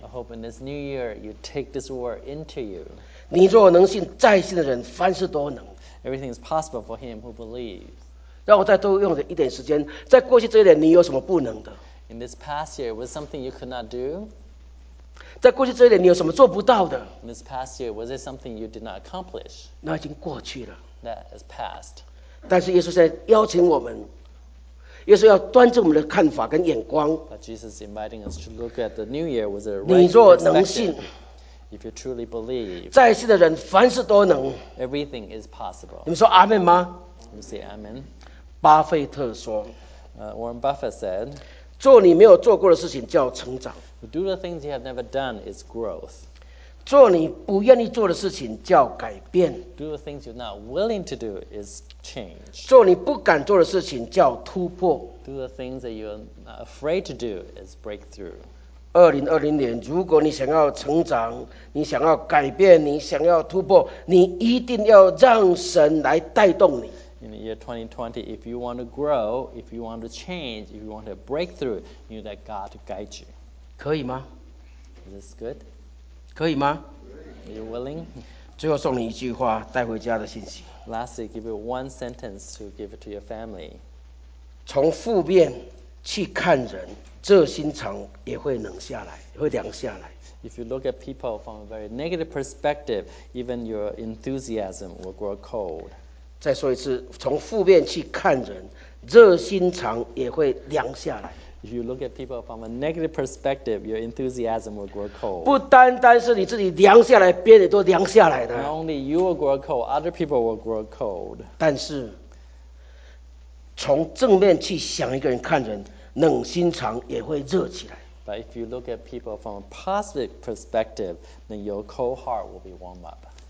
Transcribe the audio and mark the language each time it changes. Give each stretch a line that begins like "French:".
English: I hope in this new year you take this word into you.
Chinese: 你若能信，再信的人凡事都能。
English: Everything is possible for him who believes.
Chinese: 让我再多用一点时间，在过去这一年你有什么不能的？
English: In this past year, was something you could not do?
Chinese: 在过去这一年你有什么做不到的？
English: In this past year, was it something you did not accomplish?
Chinese: 那已经过去了。
English: That is past.
Chinese: 但是耶稣现在邀请我们， 也是要端正我们的看法跟眼光。
English: But Jesus is inviting us to look at the new year with a right
Chinese: 你若能信,
English: if you truly believe,
Chinese: 在信的人凡事都能。
English: Everything is possible.
Chinese: 你们说阿们吗？
English: You say amen.
Chinese: 巴菲特说，
English: Warren Buffett said,
Chinese: 做你没有做过的事情叫成长。
English: Do the things you have never done is growth.
Chinese: 做你不愿意做的事情叫改变。
English: Do the things you're not willing to do is change.
Chinese: 做你不敢做的事情叫突破。
English: Do the things that you're not afraid to do is breakthrough.
Chinese: 2020年，如果你想要成长，你想要改变，你想要突破，你一定要让神来带动你。
English: In the year 2020, if you want to grow, if you want to change, if you want a breakthrough, you need that God to guide you.
Chinese: 可以吗？
English: Is this good?
Chinese: 可以吗？
English: Are you willing?
Chinese: 最后送你一句话带回家的信息。
English: Lastly, give you one sentence to give it to your family.
Chinese: 从负面去看人， 这心肠也会冷下来，会凉下来。
English: If you look at people from a very negative perspective, even your enthusiasm will grow cold.
Chinese: 再说一次， 从负面去看人， 这心肠也会凉下来。
English: If you look at people from a negative perspective, your enthusiasm will grow cold.
Chinese: 不单单是你自己凉下来, 别人都凉下来的。
English: Not only you will grow cold, other people will grow cold.
Chinese: 但是, 从正面去想一个人看人, 冷心肠也会热起来。
English: But if you look at people from a positive perspective, then your cold heart will be warm up.